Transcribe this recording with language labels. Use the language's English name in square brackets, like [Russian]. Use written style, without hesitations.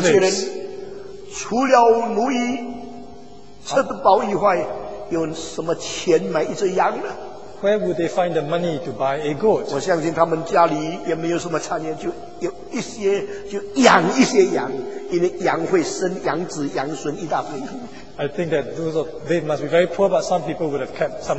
[Chinese] 这些人, 除了奴役, 吃得饱以外, 有什么钱买一只羊呢? [English] Where would they find the money to buy a goat? [Chinese] 我相信他们家里也没有什么产业, 就有一些, 就养一些羊, 因为羊会生羊子, 羊孙一大堆。 [English] I think that those of, they must be very poor, but some people would have kept some goats.